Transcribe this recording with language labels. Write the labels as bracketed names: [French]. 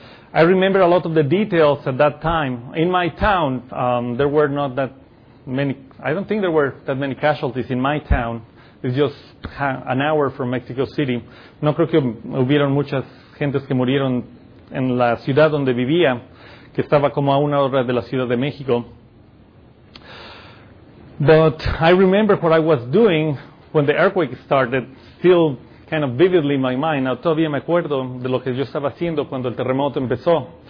[English] I remember a lot of the details at that time. In my town, there were not that many, I don't think there were that many casualties in my town. It's just an hour from Mexico City. [Spanish] No creo que hubieron muchas gentes que murieron en la ciudad donde vivía, que estaba como a una hora de la Ciudad de México. [English] But I remember what I was doing when the earthquake started, still kind of vividly in my mind. [Spanish] Now, todavía me acuerdo de lo que yo estaba haciendo cuando el terremoto empezó.